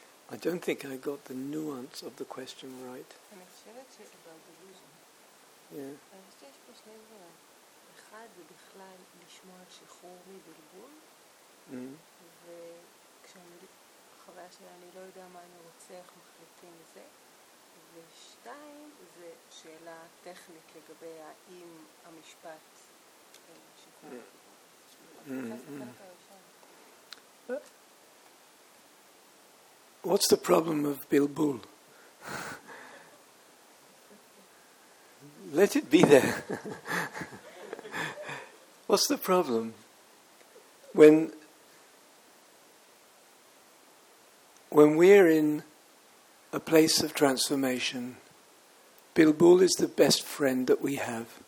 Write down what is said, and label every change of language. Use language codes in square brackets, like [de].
[en] I don't think I got the nuance of the question right. I'm sure it's about delusion. Yeah. I think it's just for me. [he] אחד זה בכלל לשמוע על שחרור מבלבול. וכשהחוויה שלי, אני לא יודע מה אני רוצה, איך מחליטים לזה. ושתיים, זה שאלה טכנית לגבי האם המשפט שחרור מבלבול. אז זה חלק הראשון. [en] What's the problem of bilbul? Let it be there. What's the problem? When we're in a place of transformation, bilbul is the best friend that we have.